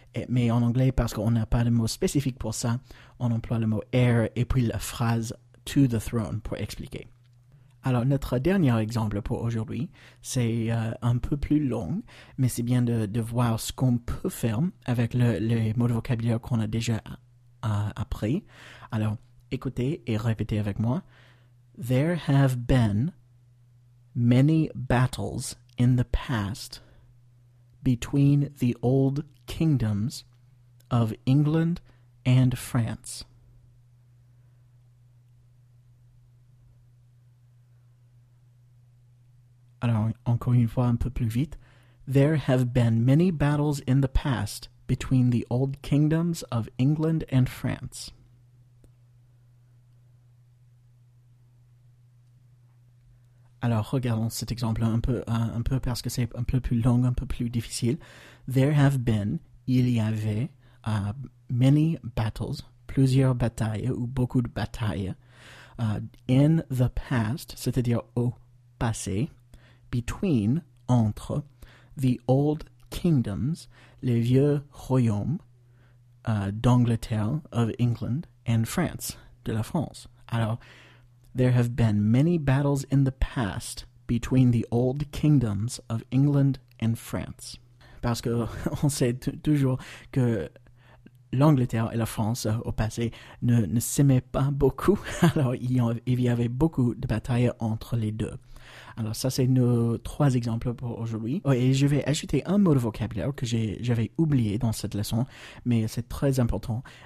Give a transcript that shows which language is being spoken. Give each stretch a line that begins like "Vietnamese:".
French: Mais en anglais, parce qu'on n'a pas de mot spécifique pour ça, on emploie le mot heir et puis la phrase
English: to the throne
French: pour expliquer. Alors, notre dernier exemple pour aujourd'hui, c'est un peu plus long, mais c'est bien de voir ce qu'on peut faire avec les mots de vocabulaire qu'on a déjà appris. Alors, écoutez et répétez avec moi.
English: There have been many battles in the past between the old kingdoms of England and France.
French: Alors, encore une fois, un peu plus vite.
English: There have been many battles in the past between the old kingdoms of England and France.
French: Alors, regardons cet exemple un peu parce que c'est un peu plus long, un peu plus difficile.
English: There have been,
French: il y avait,
English: many battles,
French: plusieurs batailles ou beaucoup de batailles.
English: In the past,
French: c'est-à-dire au passé, between, entre,
English: the old kingdoms,
French: les vieux royaumes d'Angleterre,
English: of England, and France,
French: de la France.
English: Alors, there have been many battles in the past between the old kingdoms of England and France.
French: Parce que on sait toujours que l'Angleterre et la France, au passé, ne s'aimaient pas beaucoup. Alors, il y avait beaucoup de batailles entre les deux. Alors, ça, c'est nos trois exemples pour aujourd'hui. Et je vais ajouter un mot de vocabulaire que j'avais oublié dans cette leçon, mais c'est très important.